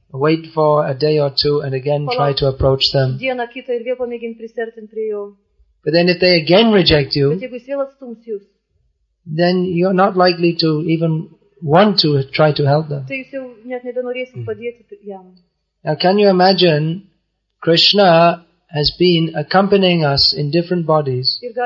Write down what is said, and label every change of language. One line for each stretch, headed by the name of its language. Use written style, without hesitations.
English: Wait for a day or two and again try to approach them.
Lithuanian: Dieną kitą ir vėl pamėginti prisertinti prie jo.
English: But then if they again reject you,
Lithuanian: bet jeigu jis vėl atstums jūs,
English: then you're not likely to even want to try to help them.
Lithuanian: Tai jūs jau net nebenorėsit padėti jam.
English: Now can you imagine Krishna has been accompanying us in different bodies?